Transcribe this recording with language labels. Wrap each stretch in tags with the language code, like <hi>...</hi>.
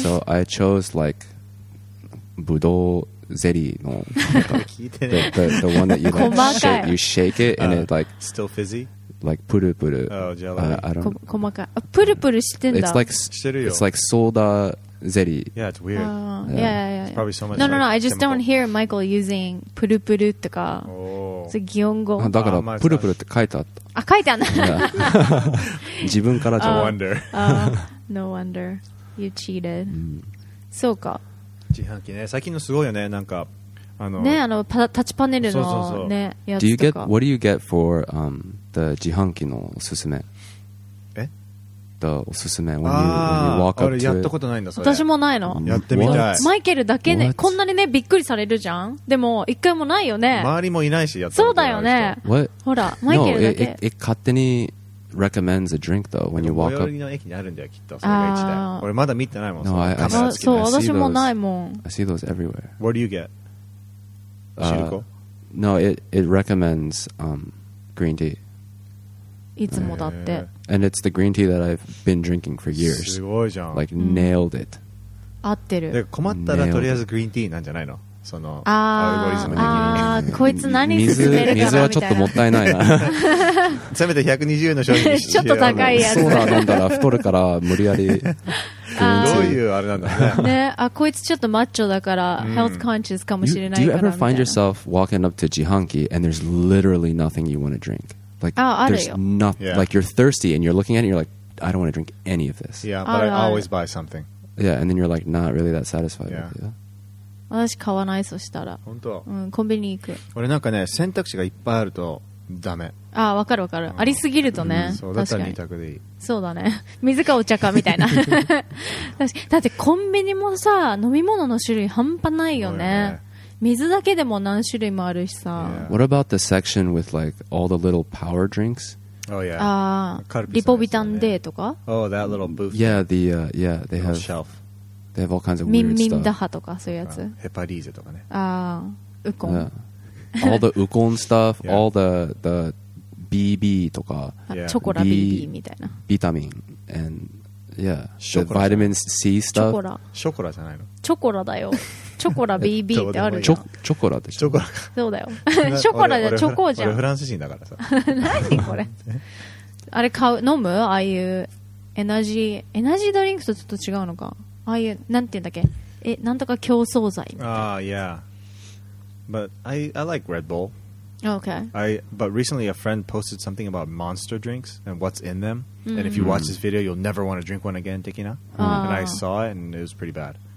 <en>So I chose like</en> <ja>ブドウゼリーの</ja> <en>the one that you like shake it and it like still fizzy? Like プルプル。 Oh, jelly. I don't</en> <ja>know. 細かい。プルプルしてんだ。</ja> <en>It's like soda. zeri. Yeah, it's weird. Yeah. It's probably so much. No. I just don't hear Michael using puru puru</en> <ja>とか.</ja> <en>Oh. It's a 擬音語.</en> <ja>だからプルプルって書いてあった。あ、書いてあんだ。自分からじゃ。No wonder. No wonder. You cheated. そうか。自販機ね、最近のすごいよね、なんか。ね、あのタッチパネルのね、やつとか。</ja> <en>Do you get, what do you get for, the 自販機のおすすめ？</en> <ja>え？</ja> <en>The おすすめ、when you walk up to it。</en> <ja>やったことないんだ、それ。私もないの。やってみたい。マイケルだけね、こんなにね、びっくりされるじゃん。でも、一回もないよね。周りもいないし、やったことない。そうだよね。</ja> <en>What?</en> <ja>ほら、マイケルだけ。</ja> <en>No, it</en> <ja>勝手に</ja> <en>recommends a drink though, when you walk up。</en> <ja>最寄りの駅にあるんだよ、きっと。それが一台。俺まだ見てないもん。</ja> <en>No, I see those.</en> <ja>そう、私もないもん。</ja> <en>I see those everywhere. What do you get? No, it recommends green tea.</en> <ja>いつもだって。</ja> <en>And it's the green tea that I've been drinking for years.</en> <ja>すごいじゃん。</ja> <en>Like nailed it.</en> <ja>合ってる。で困ったらとりあえずグリーンティーなんじゃないの？そのアルゴリズム的に。ああ、こいつ何進めるかなみたいな。水はちょっともったいないな。せめて120円の商品にしよう。ちょっと高いやつ。ソーダ飲んだら太るから無理やり。どういうあれなんだね。ね、あ、こいつちょっとマッチョだから、</ja> <en>health conscious</en> <ja>かもしれないから。</ja> <en>Do you ever find yourself walking up to 自販機 and there's literally nothing you want to drink? Like, there's nothing. Like, you're thirsty and you're looking at it and you're like, I don't want to drink any of this. Yeah, but I always buy something. Yeah, and then you're like, not really that satisfied with it.</en> <ja>私買わないそしたら本当、うん、コンビニ行く俺なんかね選択肢がいっぱいあるとダメああ分かる分かる、うん、ありすぎるとね、うん、そうだったら2択でいいそうだね水かお茶かみたいな確かにだってコンビニもさ飲み物の種類半端ないよね、水だけでも何種類もあるしさ、yeah.</ja> <en>What about the section with like all the little power drinks? Oh yeah、</en> <ja>カルピスリポビタンデーとか</ja> <en>Oh that little booth Yeah the yeah they have shelf They have all kinds of weird stuff.</en> <ja>ミンミンダハとかそういうやつ。ヘパリーゼとかね。ああ、ウコン。</ja> <en>Yeah. All the ウコン stuff, yeah. all the BB</en> <ja>とか、</ja> <en>yeah.</en> <ja>チョコラ BB みたいな。</ja> <en>ビタミン and yeah, the vitamin C stuff.</en> <ja>チョコラ。ショコラじゃないの？チョコラだよ。チョコラ BB ってあるよ。チョコラでしょ。チョコラか。そうだよ。ショコラでチョコじゃん。俺フランス人だからさ。何これ。あれ買う飲む？ああいうエナジードリンクとちょっと違うのか。ああいうなんていうんだっけえなんとか競争剤みたいな。</ja> <en>Ah, yeah. But I like Red Bull. Okay. But recently a friend posted something about monster drinks and what's in them. Mm-hmm. And if you watch this video, you'll never want to drink one again, Tekina. Mm-hmm. And I saw it and it was pretty bad.</en>